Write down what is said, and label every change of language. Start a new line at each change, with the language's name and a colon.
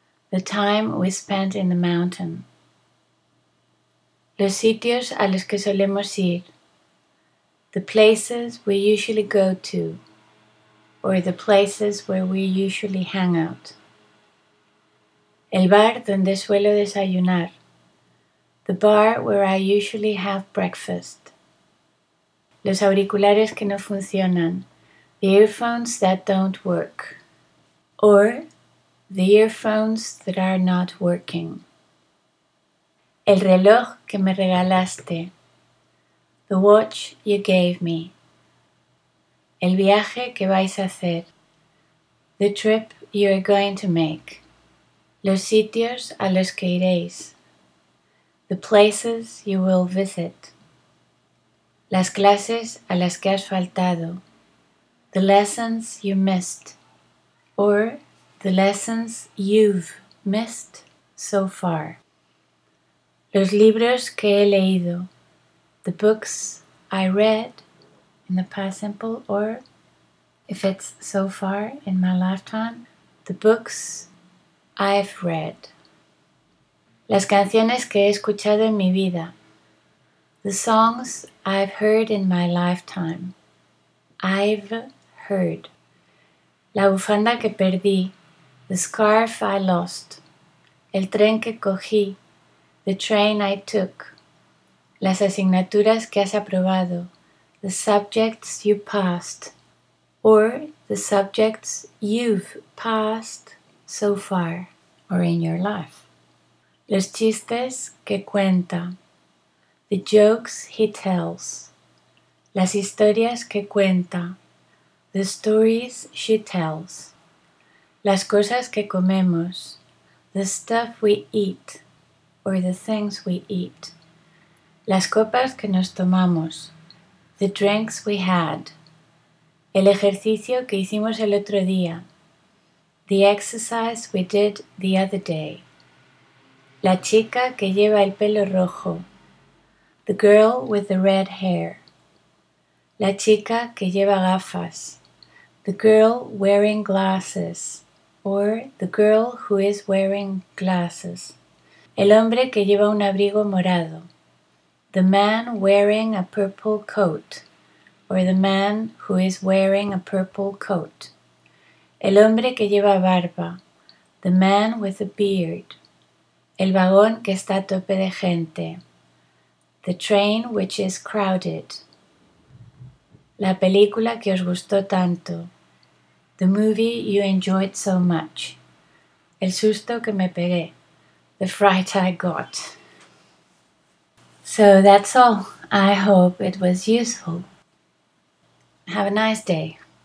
English: The time we spent in the mountain.
Spanish: Los sitios a los que solemos ir.
English: The places we usually go to. Or the places where we usually hang out.
Spanish: El bar donde suelo desayunar.
English: The bar where I usually have breakfast.
Spanish: Los auriculares que no funcionan.
English: The earphones that don't work, or the earphones that are not working.
Spanish: El reloj que me regalaste.
English: The watch you gave me.
Spanish: El viaje que vais a hacer.
English: The trip you are going to make.
Spanish: Los sitios a los que iréis.
English: The places you will visit.
Spanish: Las clases a las que has faltado.
English: The lessons you missed. Or the lessons you've missed so far.
Spanish: Los libros que he leído.
English: The books I read in the past simple, or if it's so far in my lifetime, the books I've read.
Spanish: Las canciones que he escuchado en mi vida.
English: The songs I've heard in my lifetime. I've heard.
Spanish: La bufanda que perdí.
English: The scarf I lost.
Spanish: El tren que cogí.
English: The train I took.
Spanish: Las asignaturas que has aprobado.
English: The subjects you passed. Or the subjects you've passed so far or in your life.
Spanish: Los chistes que cuenta.
English: The jokes he tells.
Spanish: Las historias que cuenta.
English: The stories she tells.
Spanish: Las cosas que comemos.
English: The stuff we eat. Or the things we eat.
Spanish: Las copas que nos tomamos.
English: The drinks we had.
Spanish: El ejercicio que hicimos el otro día.
English: The exercise we did the other day.
Spanish: La chica que lleva el pelo rojo.
English: The girl with the red hair.
Spanish: La chica que lleva gafas.
English: The girl wearing glasses. Or the girl who is wearing glasses.
Spanish: El hombre que lleva un abrigo morado.
English: The man wearing a purple coat. Or the man who is wearing a purple coat.
Spanish: El hombre que lleva barba.
English: The man with a beard.
Spanish: El vagón que está a tope de gente.
English: The train which is crowded.
Spanish: La película que os gustó tanto.
English: The movie you enjoyed so much.
Spanish: El susto que me pegué.
English: The fright I got. So that's all. I hope it was useful. Have a nice day.